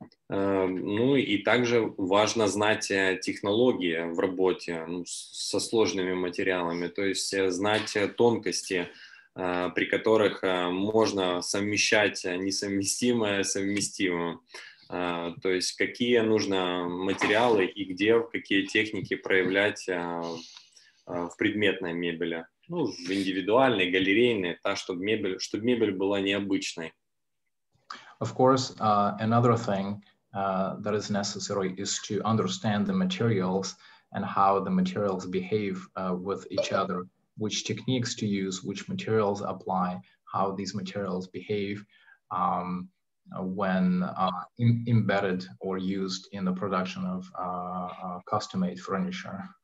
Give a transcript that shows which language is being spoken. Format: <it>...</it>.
<uk>Ну і також важливо знати технології в роботі зі складними матеріалами, тобто знати тонкості,</uk> <ru>при которых можно совмещать несовместимое с совместимым. То есть какие нужно материалы и где, какие техники проявлять в предметной мебели. Ну, в индивидуальной, галерейной, так, чтобы мебель была необычной.</ru> <en>Of course, another thing that is necessary is to understand the materials and how the materials behave with each other. Which techniques to use, which materials apply, how these materials behave when embedded or used in the production of custom-made furniture.</en>